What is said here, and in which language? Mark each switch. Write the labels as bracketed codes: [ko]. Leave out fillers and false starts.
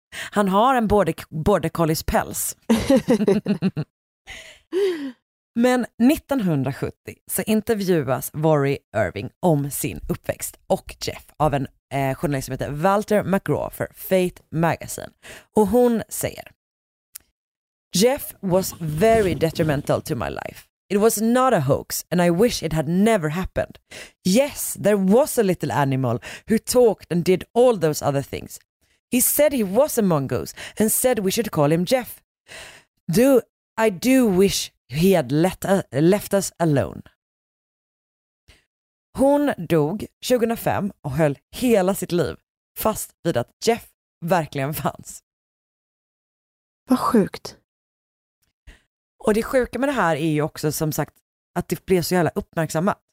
[sv] Han har en border collies päls. Men 1970 så intervjuas Worry Irving om sin uppväxt och Jeff av en journalist som heter Walter McGraw för Fate Magazine. Och hon säger: [en] Jeff was very detrimental to my life. It was not a hoax and I wish it had never happened. Yes, there was a little animal who talked and did all those other things. He said he was a mongoose and said we should call him Jeff. I do wish he had left us alone. [sv] Hon dog 2005 och höll hela sitt liv fast vid att Jeff verkligen fanns. Vad sjukt. Och det sjuka med det här är ju också som sagt att det blev så jävla uppmärksammat.